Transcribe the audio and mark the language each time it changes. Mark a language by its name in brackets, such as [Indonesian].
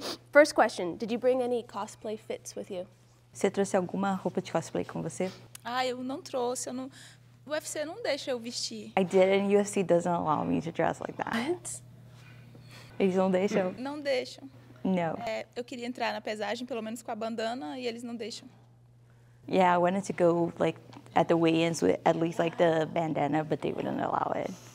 [English] First question, did you bring any cosplay fits with you? [Portuguese] Você trouxe alguma roupa de cosplay com você? Ah, eu não trouxe, eu não... O UFC não deixa eu vestir. [English] I didn't, UFC doesn't allow me to dress like that. What? [Portuguese] Eles não deixam? Não deixam. [English] No. [Portuguese] Eu queria entrar na pesagem, pelo menos com a bandana, e eles não deixam. [English] Yeah, I wanted to go, like, at the weigh-ins with at least, like, the bandana, but they wouldn't allow it.